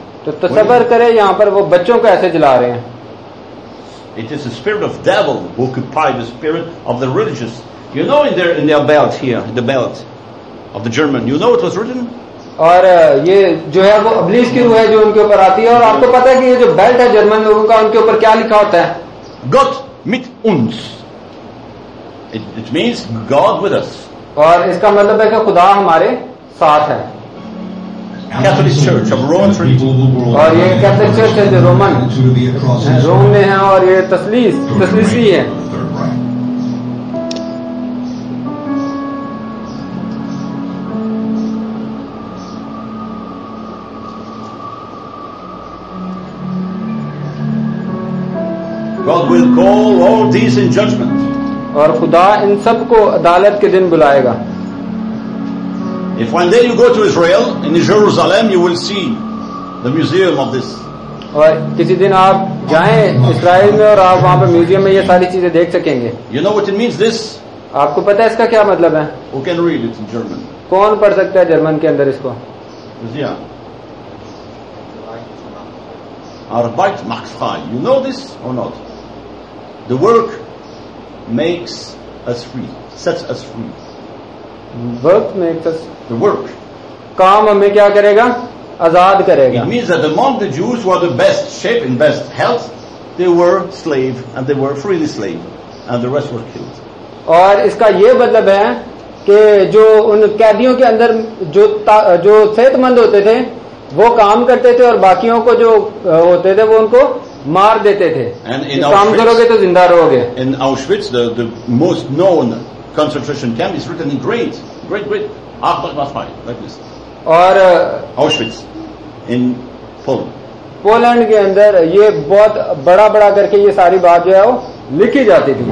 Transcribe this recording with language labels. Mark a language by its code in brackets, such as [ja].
[hi] तो तसव्वुर करें, यहाँ पर वो बच्चों को ऐसे जला रहे हैं. [en] It is the spirit of devil who occupied the spirit of the religious. You know, in their belt here, the belt of the German. You know what was written? [hi] और ये जो है वो अब्लीस की रूह है जो उनके ऊपर आती है. और आपको पता है कि ये जो बेल्ट है जर्मन लोगों का, उनके ऊपर क्या लिखा होता है? [de] Gott mit uns. [en] It means God with us. [hi] और इसका मतलब है कि खुदा हमारे साथ है. [en] Catholic Church of Rome Trinity. [hi] और ये कैथोलिक चर्च है जो रोमन रोम में है, और ये तसलीसी है. [en] God will call all these in judgment. [hi] और खुदा इन सब को अदालत के दिन बुलाएगा. [en] If one day you go to Israel, in Jerusalem, you will see the museum of this. [hi] और किसी दिन आप जाएं इसराइल में और आप वहां पर म्यूजियम में ये सारी चीजें देख सकेंगे. [en] You know what it means this. [hi] आपको पता है इसका क्या मतलब है? [en] Who can read it in German. [hi] कौन पढ़ सकता है जर्मन के अंदर इसको? [de] Arbeit macht frei. [en] You know this or not? The work makes us free. Sets us free. Work makes us. The work. [hi] काम हमें क्या करेगा? आजाद करेगा. [en] It means that among the Jews who are the best shape and best health, they were slave and they were freely slave, and the rest were killed. [hi] और इसका ये मतलब है कि जो उन कैदियों के अंदर जो सेहतमंद होते थे वो काम करते थे और बाकियों को जो होते थे वो उनको मार देते थे. काम करोगे तो जिंदा रहोगे. [en] in Auschwitz the most known concentration camp is written in great great great [de] Arbeit macht frei, [en] like this. [hi] और [en] Auschwitz in Poland. [hi] पोलैंड के अंदर ये बहुत बड़ा बड़ा करके ये सारी बात जो है वो लिखी जाती थी.